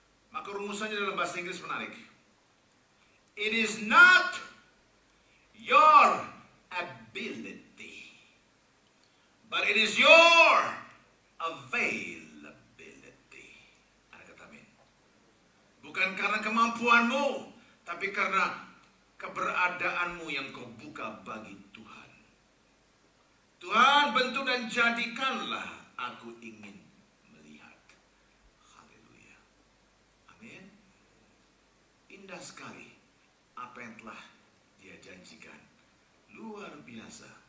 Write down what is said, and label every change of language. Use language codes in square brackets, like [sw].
[id] Maka rumusannya dalam bahasa Inggris menarik. [en] It is not your ability, but it is your availability. [id] Ada kata amin. Bukan karena kemampuanmu, tapi karena keberadaanmu yang kau buka bagi Tuhan. Tuhan, bentuk dan jadikanlah aku ingin melihat. Haleluya. Amin. Indah sekali apa yang telah dia janjikan. Luar biasa.